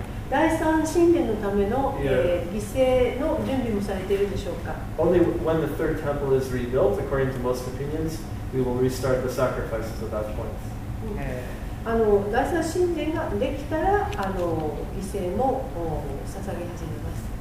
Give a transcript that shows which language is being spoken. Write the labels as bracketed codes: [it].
[ja] 第三神殿のための、犠牲の準備もされているでしょうか。 [en] Only when the third temple is rebuilt, according to most opinions, we will restart the sacrifices at that point. [ja] 第三神殿ができたら、犠牲も捧げ始めます。